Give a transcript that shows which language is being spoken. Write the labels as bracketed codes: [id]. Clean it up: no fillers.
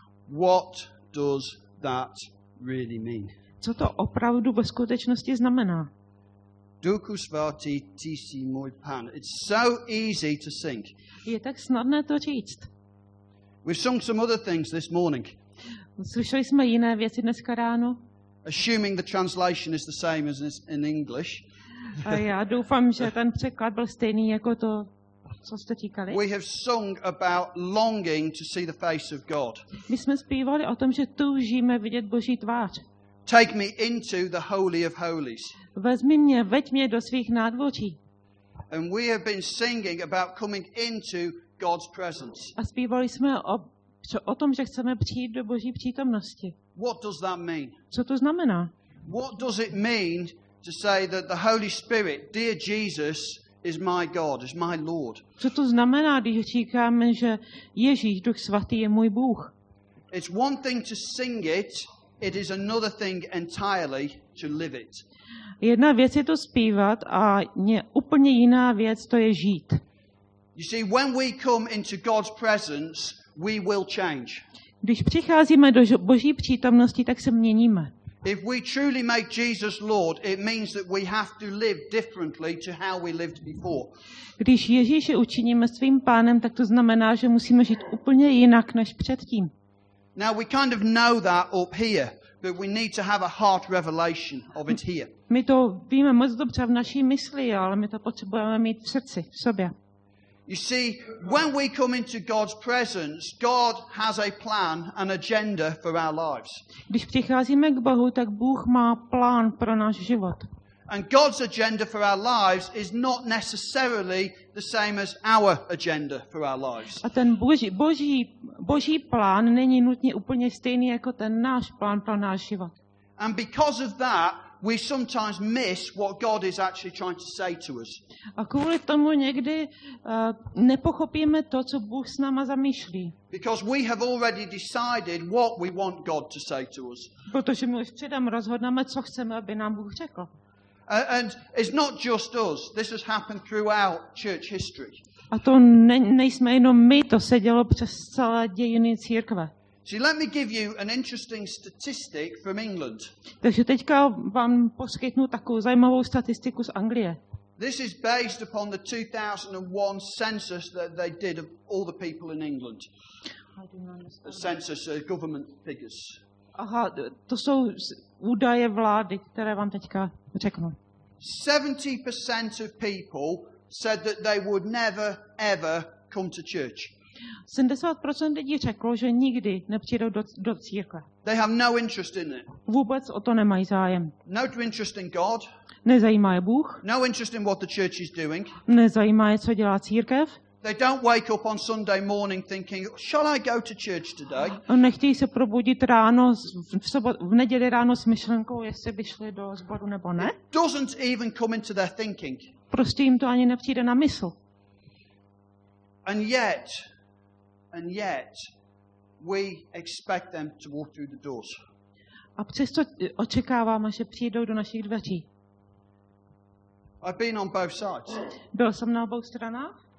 [en] What does that really mean? [cs] Co to opravdu ve skutečnosti znamená? Duku svatý, ty jsi můj pán. [en] It's so easy to sing. [cs] Je tak snadné to říct. [en] We've sung some other things this morning. [cs] Slyšeli jsme jiné věci dneska ráno. [en] Assuming the translation is the same as in English. [cs] A já doufám, že ten překlad byl stejný jako to, co jste říkali. [en] We have sung about longing to see the face of God. [cs] My jsme zpívali o tom, že toužíme vidět Boží tvář. [en] Take me into the holy of holies. [cs] Vezmi mě, veď mě do svých nádvoří. [en] And we have been singing about coming into God's presence. [cs] A zpívali jsme o tom, že chceme přijít do Boží přítomnosti. [en] What does that mean? [cs] Co to znamená? [en] What does it mean to say that the Holy Spirit, dear Jesus, is my God, is my Lord? [cs] Co to znamená, když říkáme, že Ježíš, Duch svatý, je můj Bůh? [en] It's one thing to sing it, it is another thing entirely to live it. [cs] Jedna věc je to zpívat a úplně jiná věc to je žít. [en] You see, when we come into God's presence, we will change. [cs] Když přicházíme do Boží přítomnosti, tak se měníme. [en] If we truly make Jesus Lord, it means that we have to live differently to how we lived before. [cs] Když Ježíše učiníme svým pánem, tak to znamená, že musíme žít úplně jinak než předtím. [en] Now we kind of know that up here, but we need to have a heart revelation of it here. [cs] My to víme moc dobře v naší mysli, ale my to potřebujeme mít v srdci, v sobě. [en] You see, when we come into God's presence, God has a plan, an agenda for our lives. [cs] Když přicházíme k Bohu, tak Bůh má plán pro náš život. [en] And God's agenda for our lives is not necessarily the same as our agenda for our lives. [cs] A ten Boží plán není nutně úplně stejný jako ten náš plán pro náš život. [en] And because of that, we sometimes miss what God is actually trying to say to us. [cs] A kvůli tomu někdy nepochopíme to, co Bůh s náma zamýšlí. [en] Because we have already decided what we want God to say to us. [cs] Protože my už předem rozhodneme, co chceme, aby nám Bůh řekl. [en] And it's not just us. This has happened throughout church history. [cs] A to nejsme jenom my, to se dělo přes celé dějiny církve. [en] So let me give you an interesting statistic from England. [cs] Takže teďka vám poskytnu takovou zajímavou statistiku z Anglie. [en] This is based upon the 2001 census that they did of all the people in England. The census, government figures. [cs] Aha, to jsou údaje vlády, které vám teďka řeknu. [en] 70% of people said that they would never ever come to church. [cs] 70% lidí řeklo, že nikdy nepřijdou do církve. [en] They have no interest in it. [cs] Vůbec o to nemají zájem. [en] No interest in God. [cs] Nezajímá je Bůh. [en] No interest in what the church is doing. [cs] Nezajímá je, co dělá církev. [en] They don't wake up on Sunday morning thinking, shall I go to church today? [cs] Nechtějí se probudit ráno v neděli ráno s myšlenkou, jestli by šli do sboru nebo ne. [en] It doesn't even come into their thinking. [cs] Prostě jim to ani nepřijde na mysl. [en] And yet, we expect them to walk through the doors. [cs] A přesto očekáváme, že přijdou do našich dveří. [en] I've been on both sides. [cs] Byl jsem na obou stranách.